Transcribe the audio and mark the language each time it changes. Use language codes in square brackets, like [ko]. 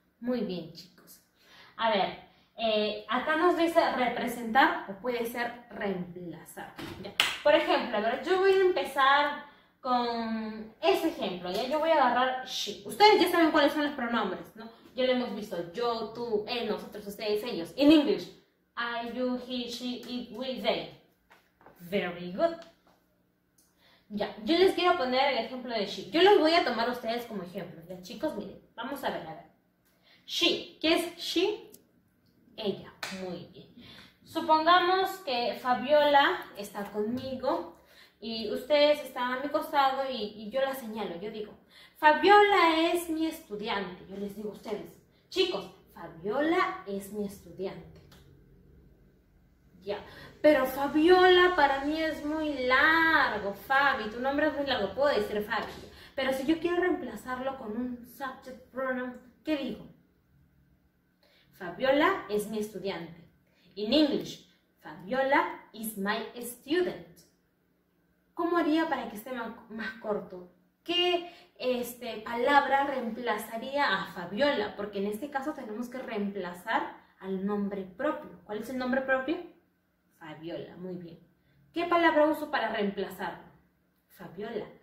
[es] Muy bien, chicos. A ver, acá nos dice representar o puede ser reemplazar, ¿ya? Por ejemplo, a ver, yo voy a empezar con ese ejemplo, ¿ya? Yo voy a agarrar she. Ustedes ya saben cuáles son los pronombres, ¿no? Ya lo hemos visto. Yo, tú, él, nosotros, ustedes, ellos. [en] In English, I, you, he, she, it, we, they. Very good. [es] Ya, yo les quiero poner el ejemplo de she. Yo los voy a tomar a ustedes como ejemplo, ¿ya? Chicos, miren, vamos a ver, a ver. She, ¿qué es she? Ella, muy bien. Supongamos que Fabiola está conmigo y ustedes están a mi costado y yo la señalo, yo digo, Fabiola es mi estudiante. Yo les digo a ustedes, chicos, Fabiola es mi estudiante. Ya, pero Fabiola para mí es muy largo, Fabi, tu nombre es muy largo, puedo decir Fabi. Pero si yo quiero reemplazarlo con un [en] subject pronoun, [es] ¿qué digo? Fabiola es mi estudiante. [en] In English, Fabiola is my student. [es] ¿Cómo haría para que esté más corto? ¿Qué palabra reemplazaría a Fabiola? Porque en este caso tenemos que reemplazar al nombre propio. ¿Cuál es el nombre propio? Fabiola, muy bien. ¿Qué palabra uso para reemplazarlo? Fabiola.